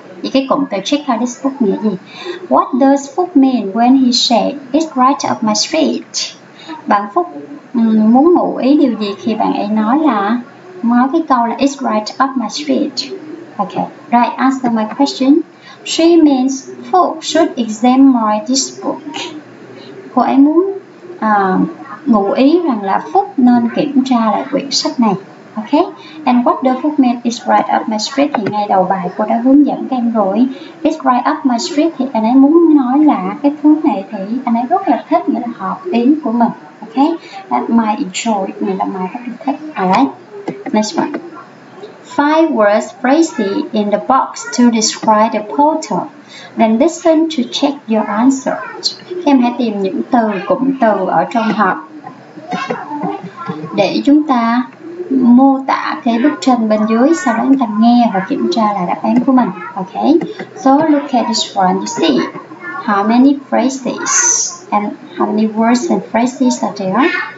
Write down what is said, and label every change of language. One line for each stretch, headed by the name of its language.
Vietnamese: Thì cái cụm từ
English: check out this book
Vietnamese: nghĩa gì?
English: What does Phúc mean when he said it's right up my street?
Vietnamese: Bạn Phúc muốn ngụ ý điều gì khi bạn ấy nói là nói cái câu là
English: it's right up my street? Okay, right, answer my question. She means Phúc should examine this book.
Vietnamese: Cô ấy muốn ngụ ý rằng là Phúc nên kiểm tra lại quyển sách này. Okay.
English: And what the book meant is right up my street
Vietnamese: thì ngay đầu bài cô đã hướng dẫn các em rồi.
English: It's right up my street
Vietnamese: thì anh ấy muốn nói là cái thứ này thì anh ấy rất là thích, nghĩa là hợp ý của mình.
English: Okay. That my enjoy,
Vietnamese: nghĩa là my rất là thích.
English: Alright. Next one. five words phrases in the box to describe the portal. Then listen to check your answer.
Vietnamese: Em hãy tìm những từ cụm từ ở trong hộp để chúng ta mô tả cái bức tranh bên dưới, sau đó chúng ta nghe và kiểm tra là đáp án của mình.
English: Okay. So look at this one. You see how many phrases and how many words and phrases are there?